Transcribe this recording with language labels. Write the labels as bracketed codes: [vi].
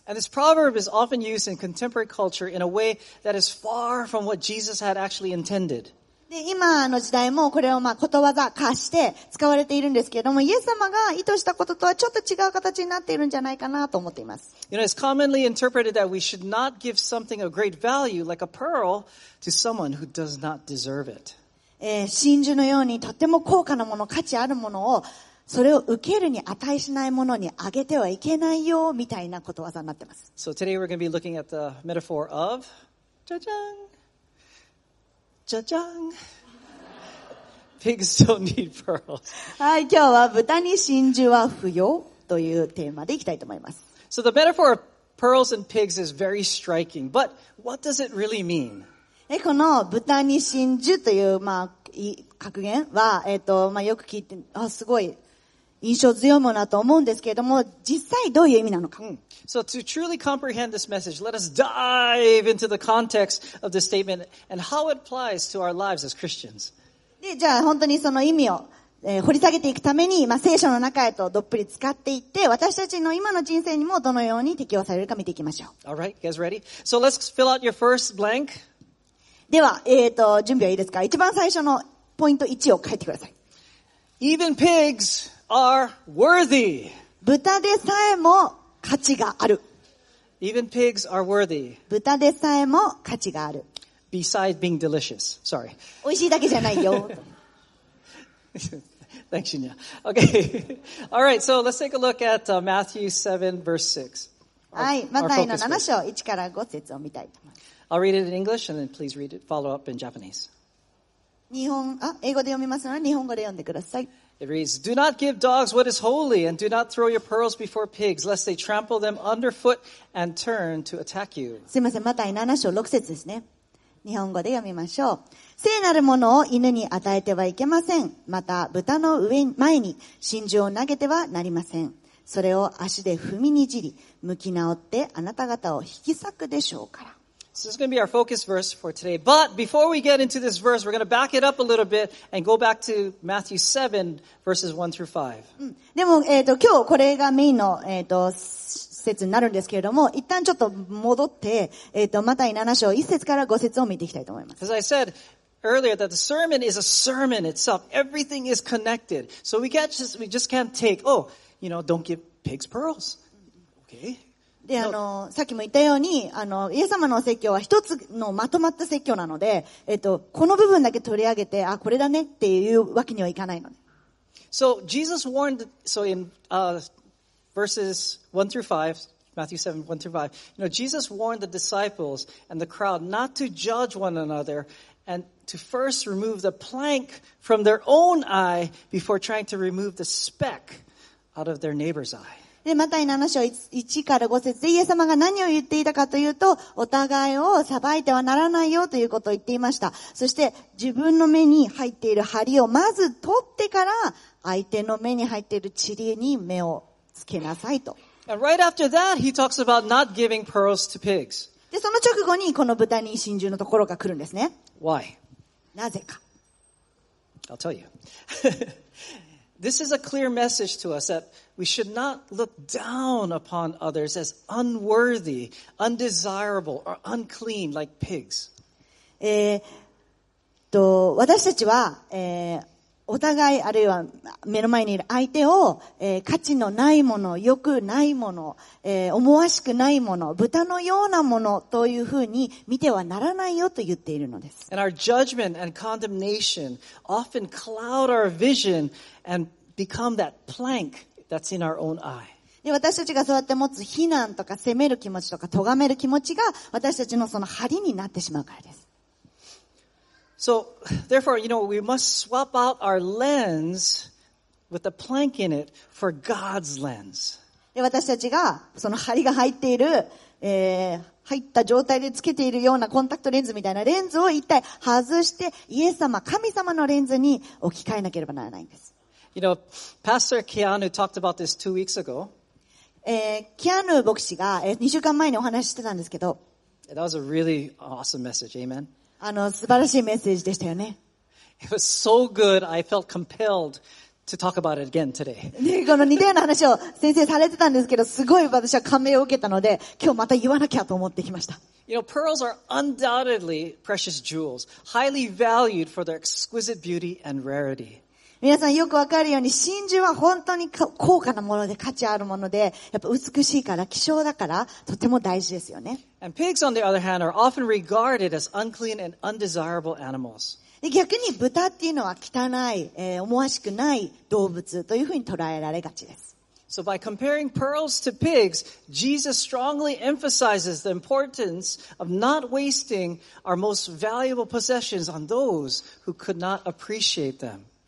[en] And this proverb is often used in contemporary culture in a way that is far from what Jesus had actually intended. [ja] で今の時代もこれをまあことわざ化して使われているんですけれども、イエス様が意図したこととはちょっと違う形になっているんじゃないかなと思っています。 [en] You know, it's commonly interpreted that we should not give something of great value, like a pearl, to someone who does not deserve it. [ja] 真珠のようにとっても高価なもの、価値あるものを、それを受けるに値しないものにあげてはいけないよ、みたいなことわざになっています。 [en] So today we're going to be looking at the metaphor of, じゃじゃん! じゃじゃん。Pigs don't need pearls. [ja] はい、今日は豚に真珠は不要というテーマでいきたいと思います。 [en] So the metaphor of pearls and pigs is very striking, but what does it really mean? [ja] この豚に真珠という、まあ、格言は、まあ、よく聞いて、あ、すごい印象強いものだと思うんですけれども、実際どういう意味なのか。 [en] So to truly comprehend this message, let us dive into the context of this statement and how it applies to our lives as Christians. [ja] で、じゃあ本当にその意味を、掘り下げていくために、まあ、聖書の中へとどっぷり使っていって、私たちの今の人生にもどのように適用されるか見ていきましょう。 [en] All right, you guys ready? So let's fill out your first blank. [ja] では、準備はいいですか?一番最初のポイント1を書いてください。 [en] Even pigs are worthy. [ja] 豚でさえも価値がある。 [en] Even pigs are worthy. [ja] 豚でさえも価値がある。 [en] Besides being delicious. Sorry. [ja] 美味しいだけじゃないよ。 [en] Thanks, Shinya. Okay. All right. So let's take a look at Matthew 7, verse 6. [ja] はい。マタイの7章、1から5節を見たいと思います。 [en] I'll read it in English and then please read it. Follow up in Japanese. [ja] 英語で読みますので、日本語で読んでください。 [en] It reads, Do not give dogs what is holy, and do not throw your pearls before pigs, lest they trample them underfoot and turn to attack you. [ja] すいません、マタイ7章6節ですね。日本語で読みましょう。聖なるものを犬に与えてはいけません。また、豚の上前に真珠を投げてはなりません。それを足で踏みにじり、向き直ってあなた方を引き裂くでしょうから。 [en] So this is going to be our focus verse for today. But before we get into this verse, we're going to back it up a little bit and go back to Matthew 7 verses 1 through 5. [ja] でも、今日これがメインの、説になるんですけれども、一旦ちょっと戻って、マタイ7章1節から5節を見ていきたいと思います。 [en] As I said earlier that the sermon is a sermon itself. Everything is connected. So we just can't take, oh, you know, don't give pigs pearls. Okay. [ja] で、さっきも言ったように、イエス様の説教は一つのまとまった説教なので、この部分だけ取り上げて、あ、これだねっていうわけにはいかないので。 [en] So, Jesus warned, so in, verses 1 through 5, Matthew 7, 1 through 5, you know, Jesus warned the disciples and the crowd not to judge one another and to first remove the plank from their own eye before trying to remove the speck out of their neighbor's eye. [ja] で、マタイ7章 1から5節でイエス様が何を言っていたかというと、お互いを裁いてはならないよということを言っていました。そして、自分の目に入っている針をまず取ってから、相手の目に入っている塵に目をつけなさいと。 [en] And right after that, he talks about not giving pearls to pigs. [ja] で、その直後にこの豚に真珠のところが来るんですね。 [en] Why? [ja] なぜか。 [en] I'll tell you. This is a clear message to us that we should not look down upon others as unworthy, undesirable, or unclean like pigs. [ja] 私たちは、お互いあるいは目の前にいる相手を、価値のないもの、良くないもの、思わしくないもの、豚のようなものというふうに見てはならないよと言っているのです。 [en] And our judgment and condemnation often cloud our vision and become that plank that's in our own eye. [ja] で私たちがそうやって持つ非難とか責める気持ちとか咎める気持ちが私たちのその針になってしまうからです。 [en] So, therefore, you know, we must swap out our lens with a plank in it for God's lens. [ja] で私たちがその針が入っている、入った状態でつけているようなコンタクトレンズみたいなレンズを一体外してイエス様、神様のレンズに置き換えなければならないんです。 [en] You know, Pastor Keanu talked about this 2 weeks ago. [ja] キアヌ牧師が、2週間前にお話してたんですけど、 [en] That was a really awesome message. Amen. [ja] 素晴らしいメッセージでしたよね。 [en] It was so good, I felt compelled to talk about it again today. [ja] で、この似たような話を先生されてたんですけど、すごい私は感銘を受けたので、今日また言わなきゃと思ってきました。 [en] You know, pearls are undoubtedly precious jewels, highly valued for their exquisite beauty and rarity. [ja] 皆さんよくわかるように真珠は本当に高価なもので価値あるものでやっぱ美しいから希少だからとても大事ですよね。 [en] And pigs on the other hand are often regarded as unclean and undesirable animals. [ja] 逆に豚っていうのは汚い、思わしくない動物というふうに捉えられがちです。 [en] So by comparing pearls to pigs, Jesus strongly emphasizes the importance of not wasting our most valuable possessions on those who could not appreciate them.